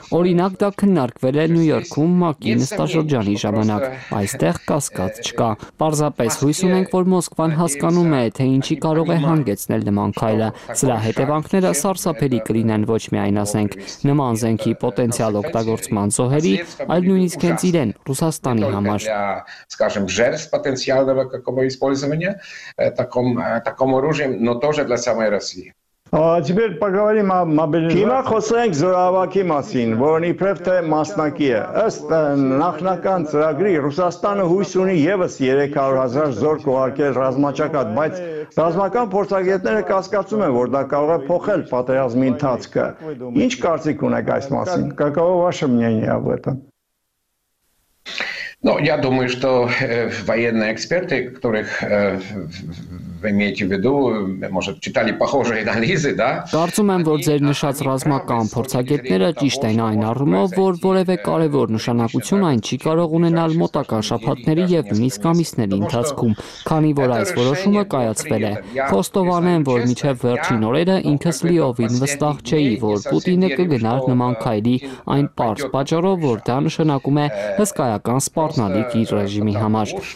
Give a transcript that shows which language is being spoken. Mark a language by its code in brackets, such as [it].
[hy] Օրինակ դա քննարկվել է Նյու Յորքում ՄԱԿ-ի նստաշրջանի ժամանակ, այստեղ կասկած չկա։ Պարզապես հույս ունենք, որ Մոսկվան հասկանում է, թե ինչի կարող է հանգեցնել նման քայլը։ Սրա հետևանքները սարսափելի կլինեն ոչ միայն ասենք նման զենքի պոտենցիալ օգտագործման զոհերի, այլ նույնիսկ հենց իրեն, Ռուսաստանի համար։ [ru] Скажем, жертв потенциального какого использования таком оружием, но тоже для самой России. Теперь поговорим о мобилизации. [hy] Հիմա խոսենք զորավարի մասին, որն իբրև թե մասնակի է։ Ըստ նախնական ծրագրի Ռուսաստանը հույս ունի եւս 300,000 զորք ուղարկել ռազմաճակատ, բայց ռազմական փորձագետները կասկածում են, որ դա կարող է փոխել պատերազմի ընթացքը։ Ինչ կարծիք ունեք այս մասին? [ru] Каково ваше мнение об этом? Ну, я думаю, что военные эксперты, которых вы имеете в виду, может, читали похожие анализы, да? [hy] Կարծում եմ, որ ձեր նշած ռազմական փորձագետները ճիշտ են այն առումով, որ որևէ կարևոր նշանակություն այն չի կարող ունենալ մոտակա շաբաթների եւ նույնիսկ ամիսների ընթացքում, քանի որ այս որոշումը կայացվել է։ Խոստովանեմ, որ մինչև վերջին օրերը ինքս լիովին վստահ չէի, որ Պուտինը կգնար նման քայլի այն պարզ պատճառով, որ դա նշանակում է հսկայական սպառնալիք իր ռեժիմի համար,